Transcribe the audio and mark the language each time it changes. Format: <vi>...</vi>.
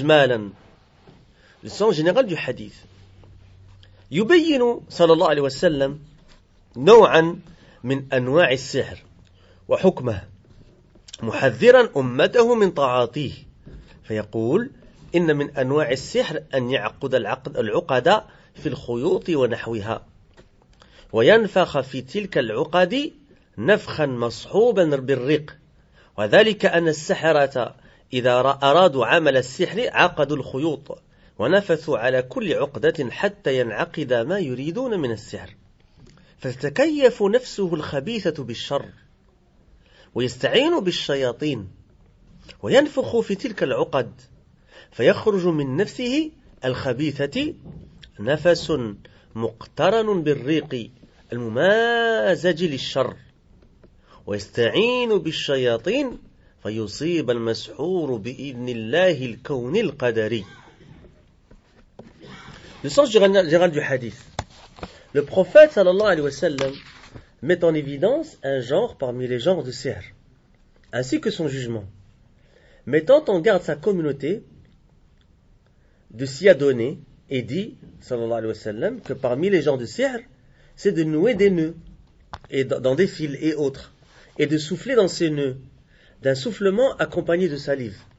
<fr>Le sens général du hadith.</fr> <ar>يبين صلى الله عليه وسلم نوعا من أنواع السحر وحكمه محذرا أمته من تعاطيه فيقول إن من أنواع السحر أن يعقد العقد في الخيوط ونحوها وينفخ في تلك العقد نفخا مصحوبا بالرق وذلك أن السحرة إذا أرادوا عمل السحر عقدوا الخيوط ونفثوا على كل عقدة حتى ينعقد ما يريدون من السحر فتتكيف نفسه الخبيثة بالشر ويستعين بالشياطين وينفخ في تلك العقد فيخرج من نفسه الخبيثة نفس مقترن بالريق الممازج للشر ويستعين بالشياطين فيصيب المسحور بإذن الله الكون القدري.</ar> <fr>Le sens général du hadith. Le prophète, sallallahu alayhi wa sallam, met en évidence un genre parmi les genres de sihr, ainsi que son jugement, mettant en garde sa communauté de s'y adonner, et dit, sallallahu alayhi wa sallam, que parmi les genres de sihr, c'est de nouer des nœuds, et dans des fils et autres, et de souffler dans ces nœuds, d'un soufflement accompagné de salive.</fr>